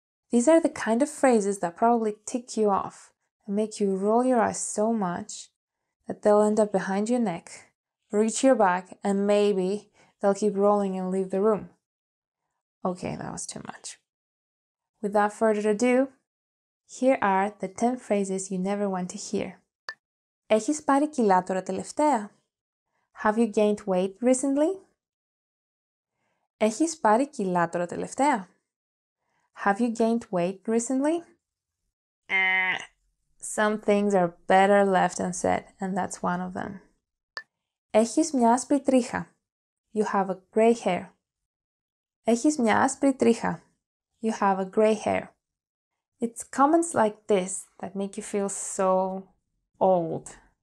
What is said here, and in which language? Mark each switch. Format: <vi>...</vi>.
<en>These are the kind of phrases that probably tick you off and make you roll your eyes so much that they'll end up behind your neck, reach your back, and maybe they'll keep rolling and leave the room. Okay, that was too much. Without further ado, here are the 10 phrases you never want to hear.</en> <el>Έχεις πάρει κιλά τώρα τελευταία?</el> <en>Have you gained weight recently?</en> <el>Έχεις πάρει κιλά τώρα τελευταία?</el> <en>Have you gained weight recently? Some things are better left unsaid, and that's one of them.</en> <el>Έχεις μια άσπρη τρίχα.</el> <en>You have a gray hair.</en> <el>Έχεις μια άσπρη τρίχα.</el> <en>You have a gray hair. It's comments like this that make you feel so old.</en>